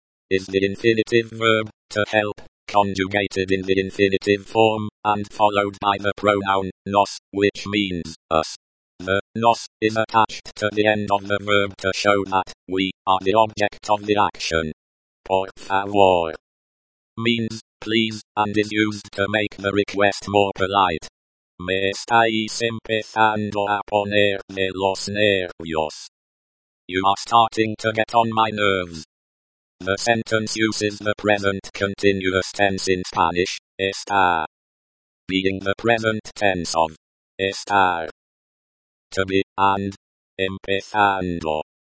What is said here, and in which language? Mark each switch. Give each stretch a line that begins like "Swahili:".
English: is the infinitive verb to help, conjugated in the infinitive form and followed by the pronoun nos, which means us. The nos is attached to the end of the verb to show that we are the object of the action.
Spanish: Por favor
English: means please and is used to make the request more polite.
Spanish: Me estáis empezando a poner de los nervios.
English: You are starting to get on my nerves. The sentence uses the present continuous tense in Spanish, estar, being the present tense of
Spanish: estar,
English: to be, and
Spanish: empezando,